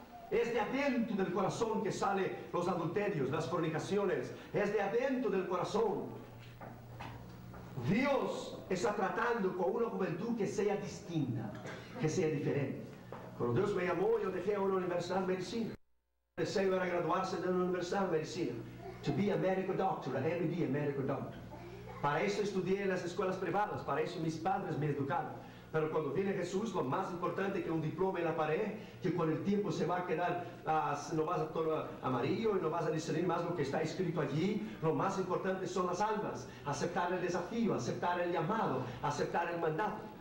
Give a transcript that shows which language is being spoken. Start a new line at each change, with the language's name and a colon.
Spanish: Es de adentro del corazón que sale los adulterios, las fornicaciones. Es de adentro del corazón. Dios está tratando con una juventud que sea distinta, que sea diferente. Cuando Dios me llamó, yo dejé una universidad de medicina. Mi deseo era graduarse de una universidad de medicina.
English: To be a medical doctor, an MD, a medical doctor.
Spanish: Para eso estudié en las escuelas privadas, para eso mis padres me educaron. Pero cuando viene Jesús, lo más importante que un diploma en la pared, que con el tiempo se va a quedar, no vas a todo amarillo y no vas a discernir más lo que está escrito allí, lo más importante son las almas, aceptar el desafío, aceptar el llamado, aceptar el mandato.